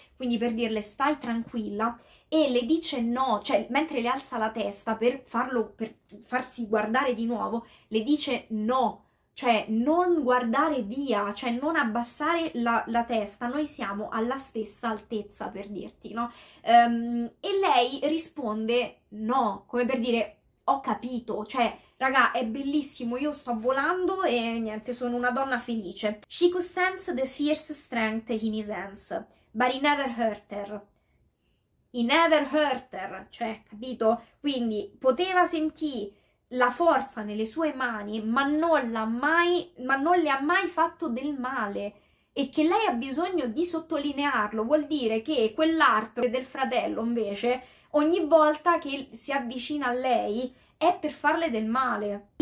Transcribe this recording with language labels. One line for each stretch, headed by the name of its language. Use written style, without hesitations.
Italian: quindi per dirle stai tranquilla, e le dice no, cioè mentre le alza la testa per farsi guardare di nuovo, le dice no, cioè non guardare via, cioè non abbassare la testa, noi siamo alla stessa altezza, per dirti, no? E lei risponde no, come per dire ho capito, cioè, raga, è bellissimo, io sto volando e niente, sono una donna felice.
English: She could sense the fierce strength in his hands, but he never hurt her. He never hurt her,
Italian: cioè, capito? Quindi poteva sentire la forza nelle sue mani, ma non le ha mai fatto del male. E che lei ha bisogno di sottolinearlo, vuol dire che quell'altro del fratello, invece, ogni volta che si avvicina a lei, è per farle del male.